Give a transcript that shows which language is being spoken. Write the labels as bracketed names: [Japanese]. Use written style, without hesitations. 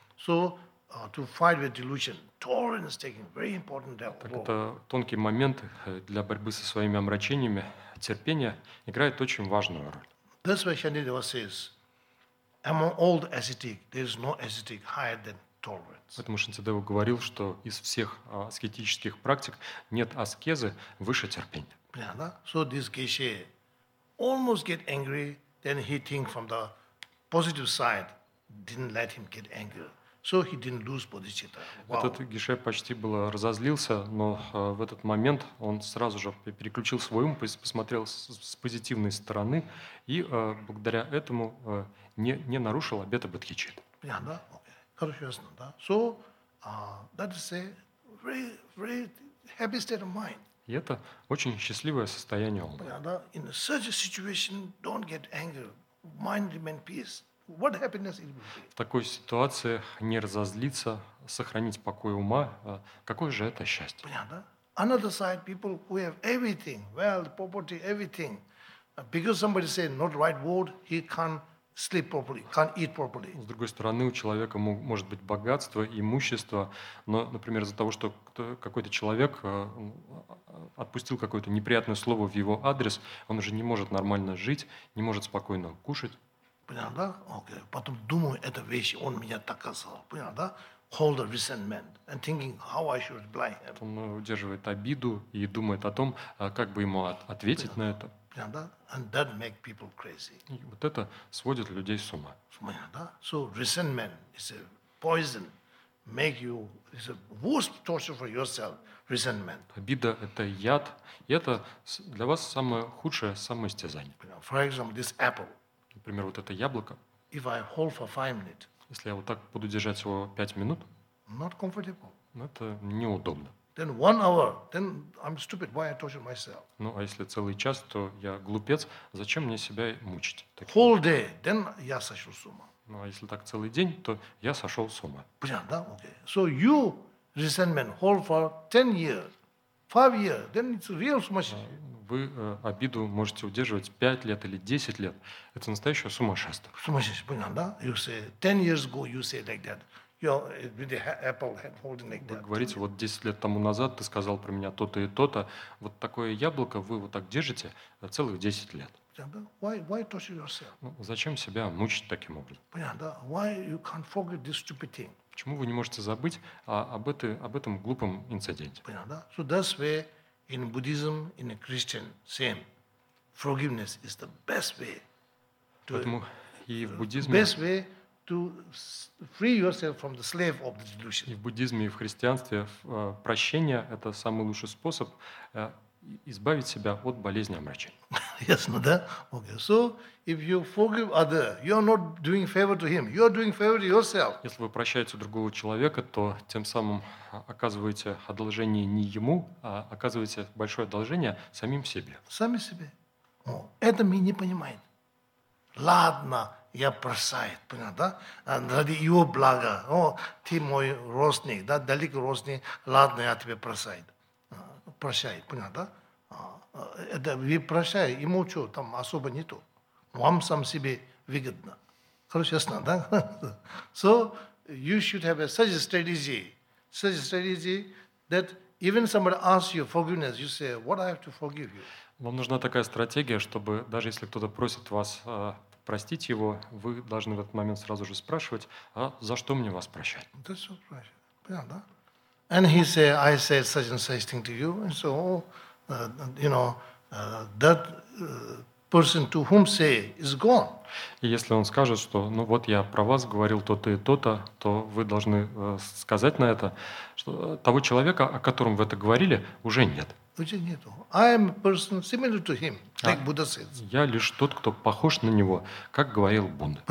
[English] So to fight with delusion, tolerance taking very important role. [Russian] Так это тонкий момент для борьбы со своими омрачениями. Терпение играет очень важную роль. [English] That's why Shantideva says, among all the ascetic, there is no ascetic higher than tolerance. [Russian] Поэтому Шантидева говорил, что из всех аскетических практик нет аскезы выше терпения. [English] Yeah, [Russian] да? [English] So this Geshe almost get angry, then he think from the positive side, didn't let him get angry. So he didn't lose bodhicitta. Wow. [Russian] Этот Геше почти было разозлился, но в этот момент он сразу же переключил свой ум, посмотрел с позитивной стороны и благодаря этому не нарушил обета бодхичитты. [English] Yeah, [Russian] да? [English] Okay. [Russian] Хорошо, ясно, да? [English] So, that is a very, very happy state of mind. [Russian] И это очень счастливое состояние ума. [English] Yeah, [Russian] да? [English] In such a situation, don't get angry. Mind remain peace. What happiness it will be? [Russian] В такой ситуации не разозлиться, сохранить покой ума, какое же это счастье? Понятно? [English] Another side, people who have everything, wealth, property, everything, because somebody say not right word, he can't sleep properly, can't eat properly. [Russian] С другой стороны, у человека может быть богатство, имущество, но, например, из-за того, что какой-то человек отпустил какое-то неприятное слово в его адрес, он уже не может нормально жить, не может спокойно кушать. Понятно, да? Окей. [English] Okay. [Russian] Потом думаю, это вещь, он меня так сказал. Понятно, да? [English] Hold the resentment and thinking how I should reply. [Russian] Он удерживает обиду и думает о том, как бы ему ответить на это. Понятно, да? [English] And that make people crazy. [Russian] И вот это сводит людей с ума. Понятно, да? [English] So resentment is a poison, make you is a worst torture for yourself. Resentment. [Russian] Обида – это яд, и это для вас самое худшее самоистязание. [English] For example, this apple. [Russian] Например, вот это яблоко. [English] If I hold for 5 minutes, [Russian] если я вот так буду держать его 5 минут, [English] not comfortable. [Russian] Это неудобно. [English] Then 1 hour, then I'm stupid. Why I torture myself? [Russian] Ну, а если целый час, то я глупец. Зачем мне себя мучить? [English] Whole day, then [Russian] я сошел с ума. Ну, а если так целый день, то я сошел с ума. Понятно, да? [English] Okay. So you resentment hold for 10 years, 5 years, then it's real [Russian] сумасшествие. Вы обиду можете удерживать 5 лет или 10 лет. Это настоящее сумасшествие. Сумасшествие, понятно, да? [English] You say, 10 years ago you say like that. You're with the apple holding like that. [Russian] Вы говорите, вот 10 лет тому назад ты сказал про меня то-то и то-то. Вот такое яблоко вы вот так держите целых 10 лет. Why torture yourself? Ну, зачем себя мучить таким образом? Понятно, да? [English] Why you can't forget this stupid thing? [Russian] Почему вы не можете забыть об этом глупом инциденте? Понятно, да? [English] So that's where in Buddhism, in a Christian, same. Forgiveness is the best way. [Russian] Поэтому и в буддизме. [English] Best way to free yourself from the slave of the delusion. [Russian] И в буддизме, и в христианстве прощение – это самый лучший способ избавить себя от болезни омрачения. Ясно, да? Okay. [English] So if you forgive other, you are not doing favor to him. You are doing favor to yourself. [Russian] Если вы прощаете другого человека, то тем самым оказываете одолжение не ему, а оказываете большое одолжение самим себе. Сами себе. О, это мы не понимаем. Ладно, я бросаю, понятно, да? Ради его блага. О, ты мой родственник, да, далеко родственник. Ладно, я тебе бросаю. Прощай, понятно, да? Это вы прощаете, ему что, там особо не то. Вам сам себе выгодно. Хорошо, ясно, да? [English] So, you should have such a strategy that even somebody asks you forgiveness, you say, what I have to forgive you? [Russian] Вам нужна такая стратегия, чтобы даже если кто-то просит вас простить его, вы должны в этот момент сразу же спрашивать, а за что мне вас прощать? Да, все прощать. Понятно, да? [English] And he said, I said such and such thing to you. And so, that person to whom say is gone. [Russian] И если он скажет, что, ну вот я про вас говорил то-то и то-то, то вы должны сказать на это, что того человека, о котором вы это говорили, уже нет. Уже нету. [English] I am a person similar to him, like Buddha says. [Russian] Я лишь тот, кто похож на него, как говорил Будда.